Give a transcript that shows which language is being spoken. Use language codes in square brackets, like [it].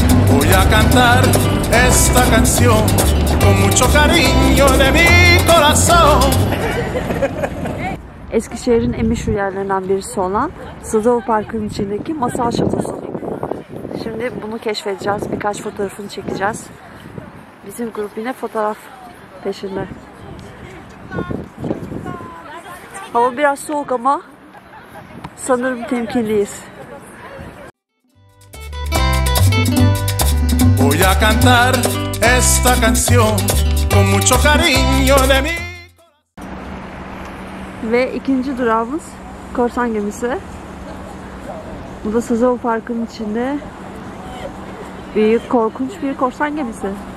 [es] Voy a cantar esta canción con mucho cariño de mi corazón. [tr] Eskişehir'in en meşhur yerlerinden birisi olan Sazova Parkı'nın içindeki masal şatosu. Şimdi bunu keşfedeceğiz. Birkaç fotoğrafını çekeceğiz. Bizim grup yine fotoğraf peşinde. Hava biraz soğuk ama sanırım temkinliyiz. [es] Voy a cantar esta canción con mucho cariño de mi. [tr] Ve ikinci durağımız korsan gemisi. Bu da Sazova Parkı'nın içinde. Büyük, korkunç bir korsan gemisi.